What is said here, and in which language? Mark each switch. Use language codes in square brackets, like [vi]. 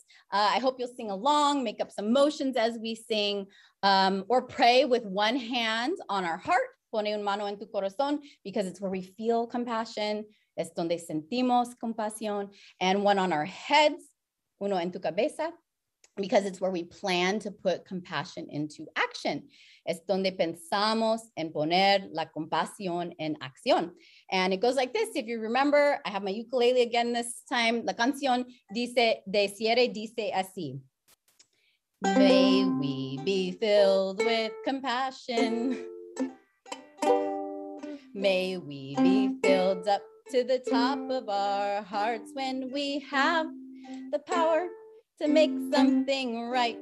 [en] I hope you'll sing along, make up some motions as we sing, or pray with one hand on our heart. [es] Pone un mano en tu corazón, [en] because it's where we feel compassion. [es] Es donde sentimos compasión. [en] And one on our heads, [es] uno en tu cabeza, [en] because it's where we plan to put compassion into action. [es] Es donde pensamos en poner la compasión en acción. [en] And it goes like this. If you remember, I have my ukulele again this time. [es] La canción dice, de cierre dice así. [en] May we be filled with compassion. May we be filled up to the top of our hearts when we have the power to make something right.